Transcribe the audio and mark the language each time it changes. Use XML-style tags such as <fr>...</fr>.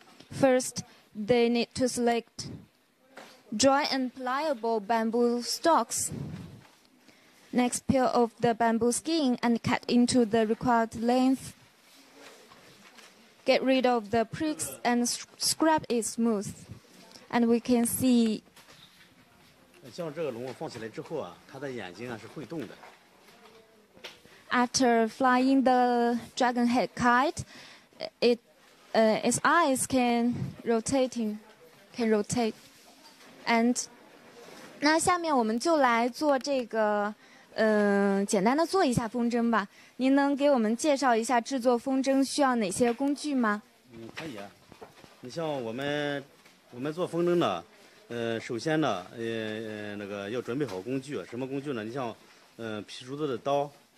<en>First, they need to selectDry and pliable bamboo stalks. Next, peel off the bamboo skin and cut into the required length. Get rid of the pricks and scrap it smooth. And we can see.</en> <zh>像这个龙放起来之后啊，它的眼睛啊是会动的。</zh> <en>After flying the dragon head kite, its eyes can rotate. And</en> <zh>那下面我们就来做这个简单的做一下风筝吧。您能给我们介绍一下制作风筝需要哪些工具吗？可以啊。你像我们做风筝呢，首先呢，那个要准备好工具。什么工具呢？你像劈竹子的刀，</zh>